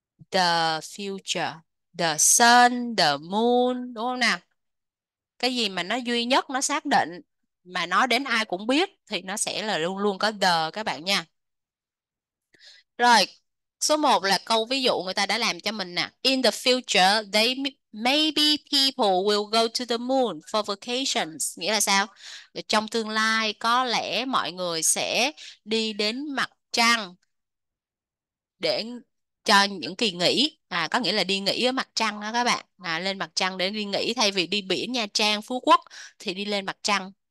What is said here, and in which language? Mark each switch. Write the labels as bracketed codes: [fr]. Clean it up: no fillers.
[en] The future. The sun, the moon, [vi] đúng không nào? Cái gì mà nó duy nhất, nó xác định, mà nói đến ai cũng biết thì nó sẽ là luôn luôn có the các bạn nha. Rồi, số 1 là câu ví dụ người ta đã làm cho mình nè. [en] In the future, they maybe people will go to the moon for vacations. [vi] Nghĩa là sao? Trong tương lai có lẽ mọi người sẽ đi đến mặt trăng để cho những kỳ nghỉ. Có nghĩa là đi nghỉ ở mặt trăng đó các bạn. Lên mặt trăng để đi nghỉ thay vì đi biển Nha Trang, Phú Quốc thì đi lên mặt trăng.